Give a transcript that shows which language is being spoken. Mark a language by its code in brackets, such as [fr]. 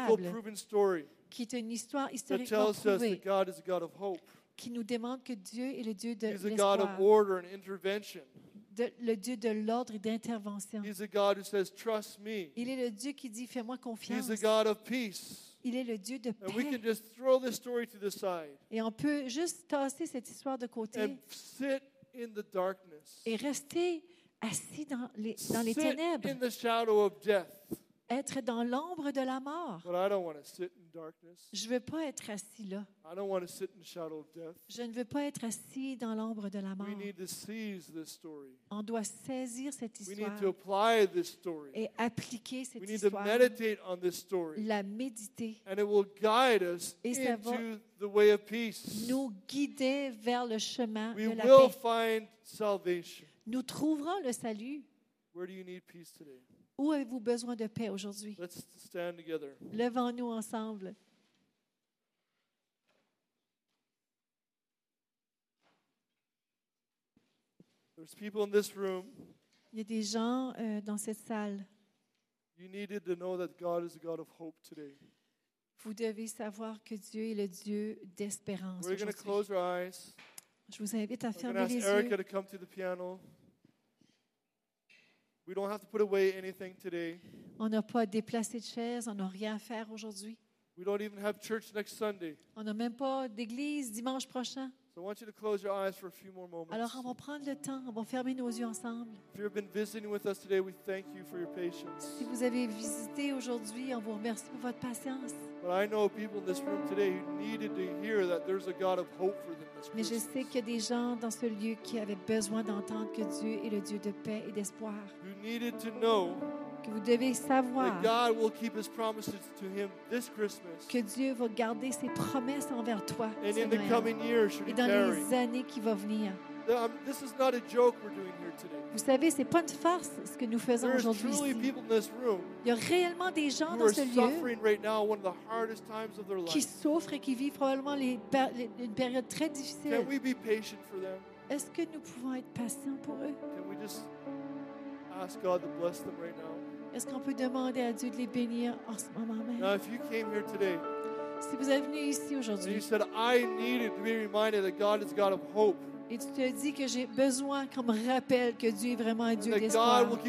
[en] historical proven story [fr] qui est une histoire historiquement prouvée. [en] That God is a God of hope. [fr] Qui nous demande que Dieu est le Dieu de [en] He's [fr] l'espoir. [en] A God of order and intervention. [fr] Le Dieu de l'ordre et d'intervention. [en] He's a God who says, "Trust me." [fr] Il est le Dieu qui dit, fais-moi confiance. [en] He's a God of peace. [fr] Il est le Dieu de paix. [en] And we can just throw this story to the side. [fr] Et on peut juste tasser cette histoire de côté. [en] And sit in the darkness. [fr] Et rester assis dans les [en] sit [fr] ténèbres. [en] In the shadow of death. [fr] Être dans l'ombre de la mort. [en] But I don't want to sit in darkness. [fr] Je ne veux pas être assis là. [en] I don't want to sit in the shadow of death. [fr] Je ne veux pas être assis dans l'ombre de la mort. [en] We need to seize this story. [fr] On doit saisir cette histoire. [en] We need to apply this story. [fr] Et appliquer cette [en] We need [fr] histoire. [en] To meditate on this story. [fr] La méditer. [en] And it will guide us into the way of peace. [fr] Nous guider vers le chemin [en] We [fr] de la paix. [en] We will find salvation. [fr] Nous trouverons le salut. [en] Where do you need peace today? [fr] Où avez-vous besoin de paix aujourd'hui? [en] Let's stand together. [fr] Levons-nous ensemble. [en] There's people in this room. [fr] Il y a des gens dans cette salle. [en] You needed to know that God is a God of hope today. [fr] Vous devez savoir que Dieu est le Dieu d'espérance. [en] We're going to close our eyes. [fr] Je vous invite à [en] We're [fr] fermer les [en] Erica [fr] yeux. [en] Erica to come to the piano. We don't have to put away anything today. [fr] On n'a pas déplacé de chaise, on n'a rien à faire aujourd'hui. [en] We don't even have church next Sunday. [fr] On n'a même pas d'église dimanche prochain. [en] So I want you to close your eyes for a few more moments. [fr] Alors on va prendre le temps, on va fermer nos yeux ensemble. [en] If you've been visiting with us today, we thank you for your patience. [fr] Si vous avez visité aujourd'hui, on vous remercie pour votre patience. [en] But I know people in this room today who needed to hear that there's a God of hope for them. [fr] Mais je sais qu'il y a des gens dans ce lieu qui avaient besoin d'entendre que Dieu est le Dieu de paix et d'espoir. [en] You needed to know. [fr] Que vous devez savoir [en] that God will keep his promises to him this Christmas. [fr] Que Dieu va garder ses promesses envers toi. [en] And in the coming years, [fr] et dans les années qui vont venir. [en] This is not a joke we're doing here today. [fr] Vous savez, c'est pas une farce ce que nous faisons aujourd'hui ici. [en] People in this room. [fr] Il y a réellement des gens dans ce lieu qui souffrent et qui vivent probablement une période très difficile. [en] Can we be patient for them? [fr] Est-ce que nous pouvons être patients pour eux? [en] Can we just ask God to bless them right now? [fr] Est-ce qu'on peut demander à Dieu de les bénir en ce moment même? [en] Now, if you came here today, [fr] si vous êtes venu ici aujourd'hui, [en] you said, I needed to be reminded that God is God of hope. [fr] Et tu te dis que j'ai besoin comme rappel que Dieu est vraiment un Dieu d'espoir.